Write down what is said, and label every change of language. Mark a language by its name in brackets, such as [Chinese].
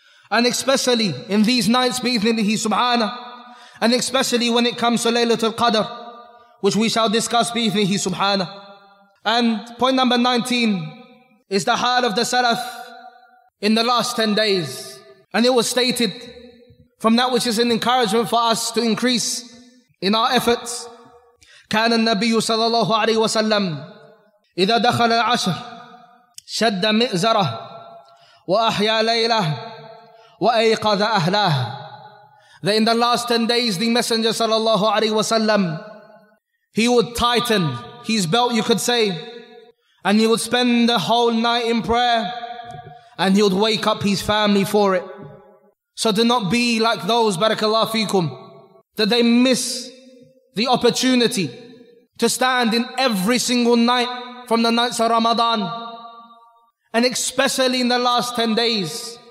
[English] And especially in these nights, bi'ithnillahi subhanahu, and especially when it comes to Laylatul Qadr, which we shall discuss, bi'ithnillahi subhanahu. And point number 19 is the hal of the Salaf in the last 10 days. And it was stated from that which is an encouragement for us to increase in our efforts. [Arabic] كان النبي صلى الله عليه وسلم إذا دخل العشر شد مئزرة وأحيا ليلة وأيقظ أهله. [English] That in the last 10 days, the Messenger صلى الله عليه وسلم, he would tighten his belt, you could say, and he would spend the whole night in prayer, and he would wake up his family for it. So do not be like those, barakallahu feekum, that they miss the opportunity to stand in every single night from the nights of Ramadan, and especially in the last 10 days.